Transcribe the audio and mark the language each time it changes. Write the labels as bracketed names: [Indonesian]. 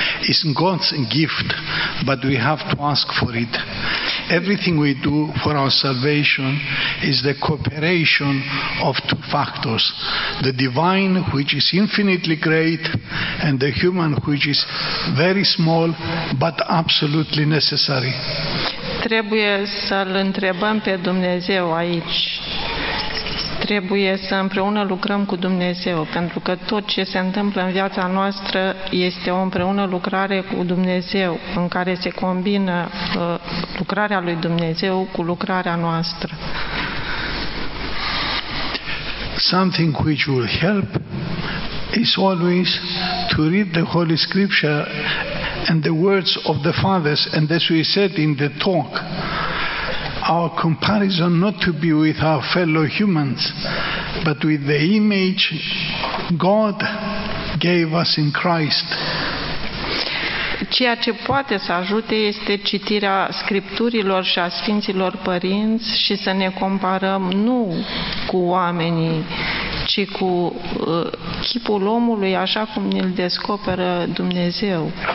[English] It's God's gift, but we have to ask for it. Everything we do for our salvation is the cooperation of two factors: the divine, which is infinitely great, and the human, which is very small, but absolutely necessary. [Romanian] Trebuie să-L întrebăm pe Dumnezeu aici. Trebuie să împreună lucrăm cu Dumnezeu, pentru că tot ce se întâmplă în viața noastră este o împreună lucrare cu Dumnezeu, în care se combină lucrarea lui Dumnezeu cu lucrarea noastră. [English] Something which will help is always to read the Holy Scripture and the words of the fathers, and as we said in the talk, our comparison not to be with our fellow humans, but with the image God gave us in Christ. [Romanian] Ceea ce poate să ajute este citirea Scripturilor și a Sfinților Părinți și să ne comparăm nu cu oamenii, ci cu chipul omului așa cum ne-l descoperă Dumnezeu.